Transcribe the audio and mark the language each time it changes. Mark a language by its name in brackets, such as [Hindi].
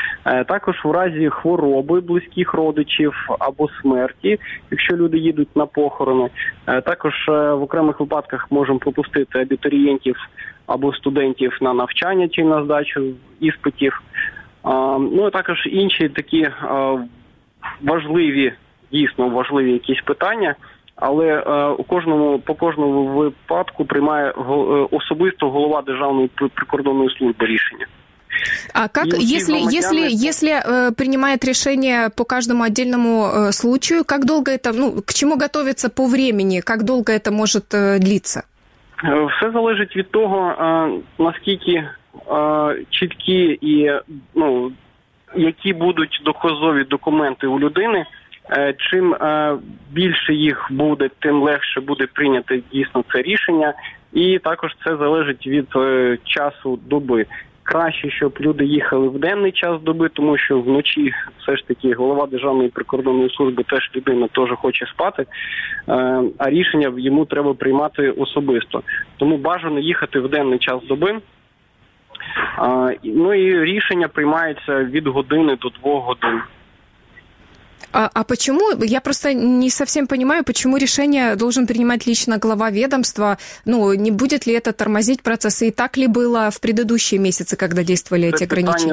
[Ukrainian] Також в разі хвороби близьких родичів або смерті, якщо люди їдуть на похорони, також в окремих випадках можемо пропустити абітурієнтів або студентів на навчання чи на здачу іспитів. Ну, також інші такі важливі, дійсно важливі якісь питання, але по кожному випадку приймає особисто голова Державної прикордонної служби рішення. А как, если принимает решение по каждому отдельному случаю, как долго это, ну, к чему готовится по времени, как долго это может длиться? Все залежить від того, наскільки чіткі і, ну, які будуть доказові документи у людини. Чим більше їх буде, тим легше буде прийняти дійсно це рішення. І також це залежить від часу доби. Краще, щоб люди їхали в денний час доби, тому що вночі все ж таки голова Державної прикордонної служби теж людина теж хоче спати, а рішення йому треба приймати особисто. Тому бажано їхати в денний час доби. Ну і рішення приймається від години до двох годин. [Russian] А почему? Я просто не совсем понимаю, почему решение должен принимать лично глава ведомства? Ну, не будет ли это тормозить процесс? И так ли было в предыдущие месяцы, когда действовали эти ограничения?